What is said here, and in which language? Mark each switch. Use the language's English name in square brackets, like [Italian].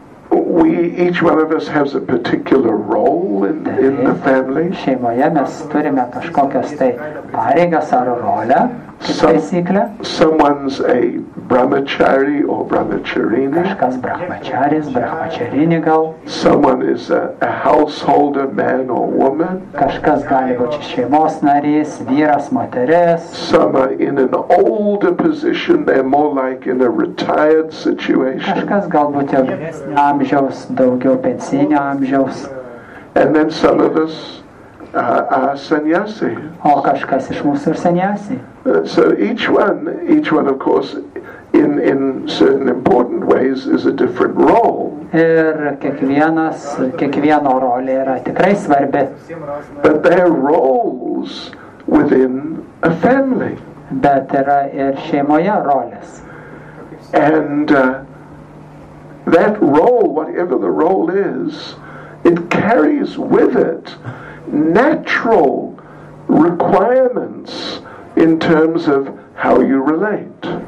[English] We, each one of us has a particular role in the family. [Lithuanian] Šeimoje mes turime kažkokias tai pareigas ar rolę. [English] Someone's a brahmachari or brahmacharini. [Lithuanian] Kažkas brahmacharis, brahmacharini gal. [English] Someone is a householder, man or woman. [Lithuanian] Kažkas gali būti šeimos narys, vyras, moteris. [English] Some are in an older position, they're more like in a retired situation. [Lithuanian] Kažkas galbūt jau amžiaus, daugiau pensinio amžiaus. [English] And then some of us are sannyasi. [Lithuanian] O kažkas iš mūsų ir sannyasi. [English] So each one of course in certain important ways is a different role. [Lithuanian] Ir kiekvieno rolė yra tikrai svarbi. [English] But there are roles within a family. [Lithuanian] Bet yra ir šeimoje rolės. [English] And that role, whatever the role is, it carries with it natural requirements in terms of how you relate.